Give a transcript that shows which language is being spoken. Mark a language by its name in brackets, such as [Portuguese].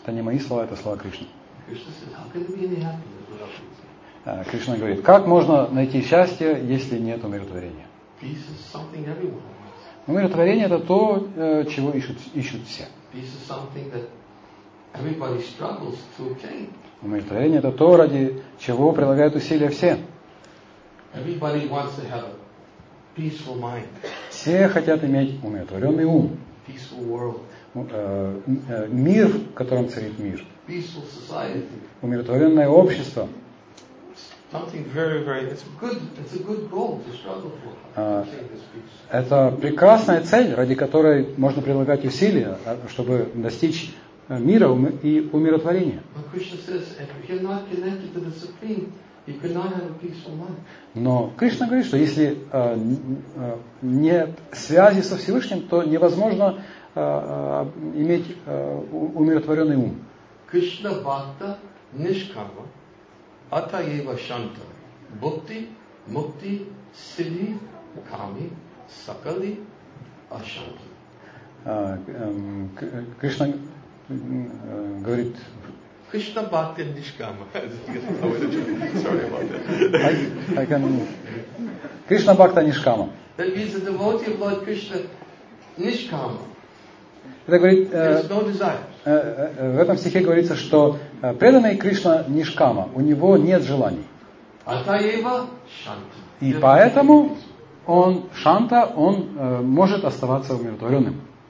[Russian] Это не мои слова, это слова Кришны. Кришна говорит, как можно найти счастье, если нет умиротворения? [English] Peace is something everyone wants. [Russian] Умиротворение это то, чего ищут все. [English] Peace is something that everybody struggles to obtain. [Russian] Умиротворение это то, ради чего прилагают усилия все. [English] Everybody wants to have a peaceful mind. [Russian] Все хотят иметь умиротворенный ум. [English] Peaceful world. [Russian] Мир, в котором царит мир. [English] Peaceful society. [Russian] Умиротворенное общество. [English] Something very, very, it's a good goal to struggle for. [Russian] Это прекрасная цель, ради которой можно прилагать усилия, чтобы достичь мира и умиротворения. [English] But Krishna says, if you're not connected to the Supreme, you cannot have a peaceful mind. [Russian] Но Кришна говорит, что если нет связи со Всевышним, то невозможно иметь умиротворенный ум. [Sanskrit] Кришна бхакта нишкама ата ева шанта бхакти мукти сиди ками сакали ашанта. [Russian] Кришна говорит [Sanskrit] Кришна бхакта нишкама. [English] Sorry about that. [Sanskrit] Кришна бхакта нишкама. [English] That means the devotee of Lord Krishna нишкама. [Russian] Это говорит, [English] no [Russian] в этом стихе говорится, что преданный Кришна нишкама, у него нет желаний. [Sanskrit] Атаева шанта. [Russian] И поэтому он шанта, он может оставаться умиротворенным.